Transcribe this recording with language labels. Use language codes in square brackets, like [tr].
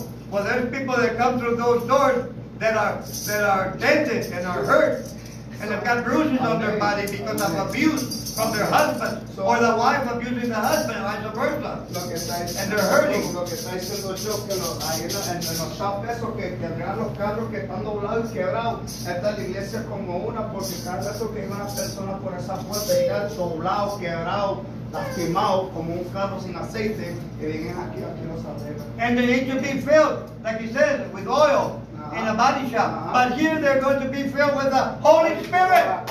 [en] Well, there's people that come through those doors that are dented and are hurt, and they've got bruises on their body because of abuse from their husband, or the wife abusing the husband, and vice versa. And they're hurting. [es] Lo que está diciendo yo que en los shops que arreglan los carros que están doblados y quebrados, esta la iglesia como una, porque cada vez que una persona por esa puerta llega doblado, quebrado, lastimado, como un carro sin aceite, que vienen aquí los arreglan. [en] And they need to be filled, like he said, with oil. In a body shop. Uh-huh. But here they're going to be filled with the Holy Spirit.